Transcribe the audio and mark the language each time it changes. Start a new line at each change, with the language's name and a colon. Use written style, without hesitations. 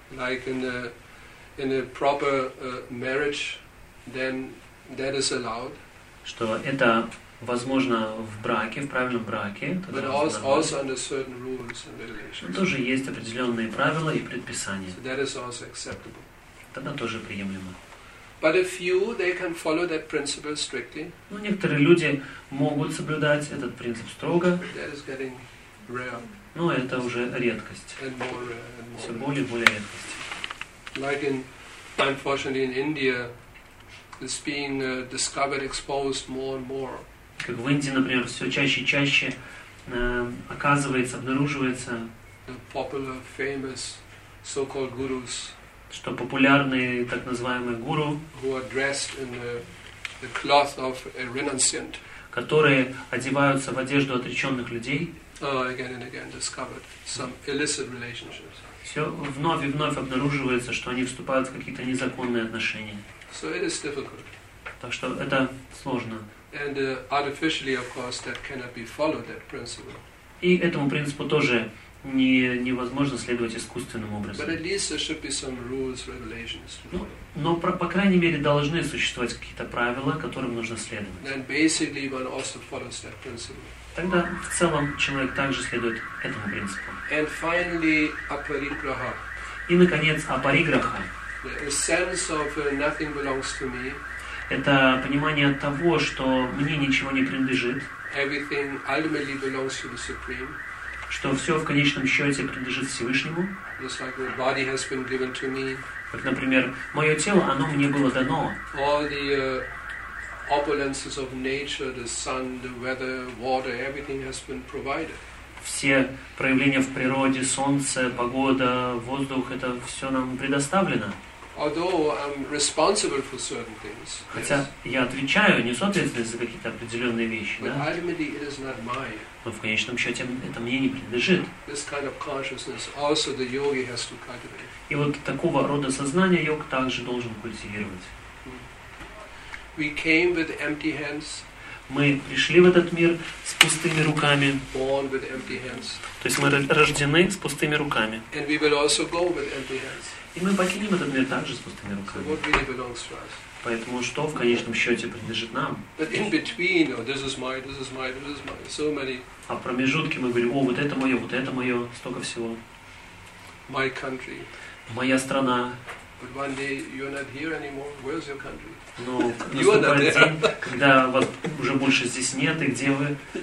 English: Like in a proper marriage. Then that is allowed.
Russian: Что это возможно в браке, в правильном браке.
English: But also under certain rules and regulations.
Russian: Но тоже есть определенные правила и предписания.
English: So that is also acceptable.
Russian: Тогда тоже приемлемо.
English: But a few, they can follow that principle strictly.
Russian: Но некоторые люди могут соблюдать этот принцип строго.
English: That is getting rare.
Russian: Но это уже редкость.
English: And more rare, and more rare.
Russian: Все более и более редкость.
English: Like unfortunately in India, it's being discovered, exposed more and more.
Russian: Как в Индии, например, все чаще и чаще оказывается, обнаруживается.
English: The popular, famous, so-called gurus.
Russian: Что популярные так называемые гуру.
English: Who are dressed in the cloth of a renunciant.
Russian: Которые одеваются в одежду отреченных людей.
English: Again and again discovered some illicit relationships.
Russian: Все вновь и вновь обнаруживается, что они вступают в какие-то незаконные отношения.
English: So it is difficult.
Russian: Так что это сложно.
English: And artificially, of course, that cannot be followed, that principle.
Russian: И этому принципу тоже невозможно следовать искусственным образом.
English: But at least there should be some rules, regulations.
Russian: По крайней мере, должны существовать какие-то правила, которым нужно следовать.
English: Then basically one also follows that principle.
Russian: Тогда в целом человек также следует этому принципу.
English: And finally, апариграха.
Russian: И, наконец, апариграха.
English: The sense of nothing belongs to me.
Russian: Это понимание того, что мне ничего не принадлежит.
English: Everything ultimately belongs to the Supreme.
Russian: Что все в конечном счете принадлежит Всевышнему.
English: Just like my body has been given to me.
Russian: Как, например, мое тело, оно мне было дано.
English: All the opulences of nature, the sun, the weather, water, everything has been provided.
Russian: Все проявления в природе, солнце, погода, воздух, это все нам предоставлено.
English: Although I'm responsible for certain things.
Russian: Хотя я отвечаю, несу ответственность за какие-то определенные вещи,
English: but
Russian: да?
English: Ultimately it is not mine.
Russian: Но в конечном счете это мне не принадлежит.
English: This kind of consciousness also the yogi has to cultivate.
Russian: И вот такого рода сознания йог также должен культивировать.
English: We came with empty hands.
Russian: Мы пришли в этот мир с пустыми руками.
English: Born with empty hands.
Russian: То есть мы рождены с пустыми руками.
English: And we will also go with empty hands.
Russian: И мы покинем этот мир также с пустыми руками.
English: So what really belongs to us?
Russian: Поэтому что в конечном счете принадлежит нам?
English: But in between, oh, this is mine, this is mine, this is mine. So many.
Russian: А в промежутке мы говорим, о, вот это мое, столько всего.
English: My country.
Russian: Моя страна.
English: But one day you're not here anymore. Where's your country? Но наступает день, когда вас уже больше здесь нет, и где вы?